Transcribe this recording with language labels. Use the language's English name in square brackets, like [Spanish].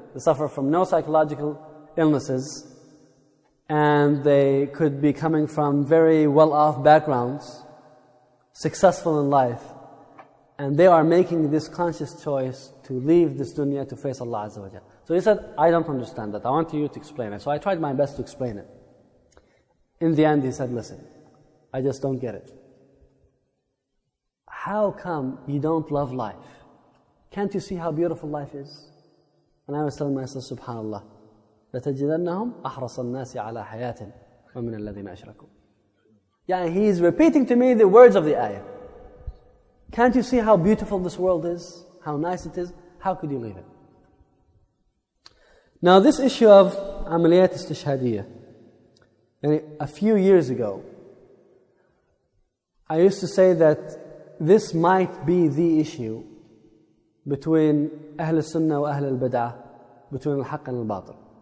[English] They suffer from no psychological illnesses, and they could be coming from very well-off backgrounds, successful in life, and they are making this conscious choice to leave this dunya to face Allah Azza wa Jalla. So he said, I don't understand that. I want you to explain it. So I tried my best to explain it. In the end, he said, listen, I just don't get it. How come you don't love life? Can't you see how beautiful life is? And I was telling myself, subhanAllah, [Arabic] لَتَجِدَنَّهُمْ أَحْرَصَ النَّاسِ عَلَىٰ حَيَاةٍ وَمِنَ الَّذِينَ أَشْرَكُوا. [English] Yeah, he is repeating to me the words of the ayah. Can't you see how beautiful this world is? How nice it is? How could you leave it? Now this issue of [Arabic] عمليات استشهادية, [English] a few years ago, I used to say that this might be the issue between Ahl al-Sunnah and Ahl al-Bid'ah, between al-Haqq and al-Batil.